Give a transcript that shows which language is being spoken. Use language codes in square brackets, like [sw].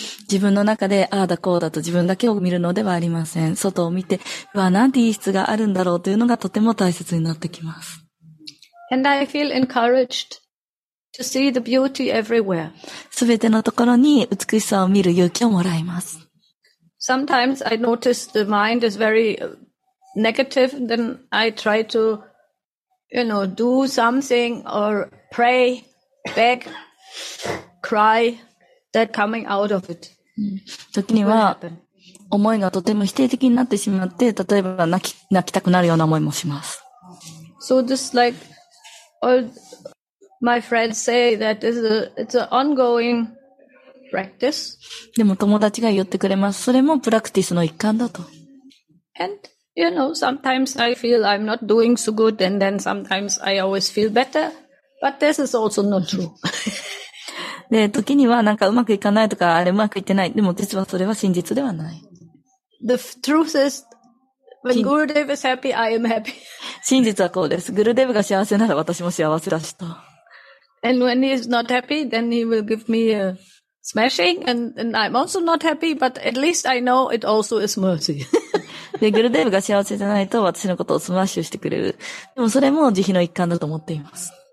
[ja] 自分の中で、ああだこうだと自分だけを見るのではありません。外を見て、うわ、なんていい質があるんだろうというのがとても大切になってきます。 [en] And I feel encouraged. To see the beauty everywhere. [ja] すべてのところに美しさを見る勇気をもらいます。 [en] Sometimes I notice the mind is very negative, then I try to, you know, do something or pray, beg, cry, that coming out of it. [ja] 時には思いがとても否定的になってしまって、例えば泣きたくなるような思いもします。 [en] So just like all,My friends say that it's an ongoing practice. [ja] でも友達が言ってくれます。それもプラクティスの一環だと。 [en] And, you know, sometimes I feel I'm not doing so good and then sometimes I always feel better. But this is also not true. [ja] で、時にはなんかうまくいかないとか、あれうまくいってない。でも実はそれは真実ではない。 [en] The truth is, when Gurudev is happy, I am happy. [ja] 真実はこうです。Gurudev が幸せなら私も幸せだしと。 [en] And when he is not happy, then he will give me a smashing, and I'm also not happy, but at least I know it also is mercy. [ja] で、グルデーブが幸せじゃないと私のことをスマッシュしてくれる。でもそれも慈悲の一環だと思っています。